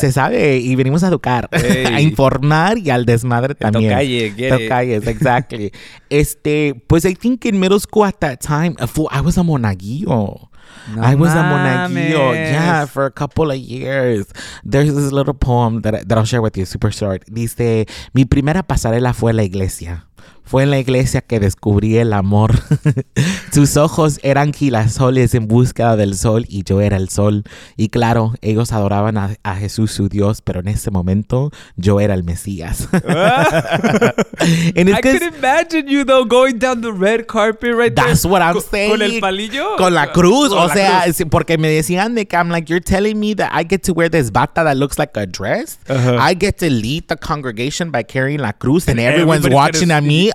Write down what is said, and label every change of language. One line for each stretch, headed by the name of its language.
Spanish: Se sabe, y venimos a educar, a informar y al desmadre también.
English: Tocalle, get it. Tocalles, exactly. pues I think in middle school at that time, I was a monaguillo. Yeah, for a couple of years. There's this little poem that I'll share with you, super short.
Spanish: Dice, mi primera pasarela fue la iglesia. Fue en la iglesia que descubrí el amor. Sus ojos eran girasoles en búsqueda del sol y yo era el sol. Y claro, ellos adoraban a Jesús, su Dios, pero en ese momento yo era el Mesías.
English: I could imagine you though going down the red carpet right that's there. That's what I'm saying.
Spanish: Con el palillo. Con la cruz. Con o la sea, cruz. Porque me decían de que
English: I'm like, you're telling me that I get to wear this bata that looks like a dress. Uh-huh. I get to lead the congregation by carrying
Spanish: la cruz
English: and everyone's watching at me.